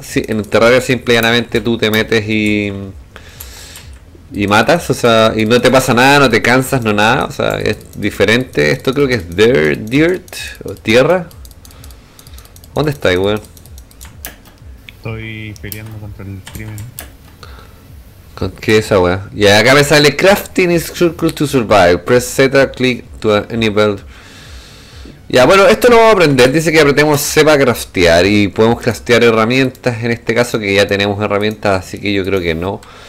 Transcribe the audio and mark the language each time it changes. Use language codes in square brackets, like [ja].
[es] Sí, en Terraria simple y llanamente tú te metes y... Y matas, o sea, y no te pasa nada, no te cansas, no nada, o sea, es diferente. Esto creo que es Dirt, o tierra. ¿Dónde está ahí, weón? Estoy peleando contra el crimen. ¿Con qué es esa weón? [en] Y yeah, [es] acá me sale [en] Crafting is Circle to Survive. Press Z, click to enable. [es] Ya, bueno, esto lo vamos a aprender. Dice que apretemos C para craftear y podemos craftear herramientas. En este caso, que ya tenemos herramientas, así que yo creo que no.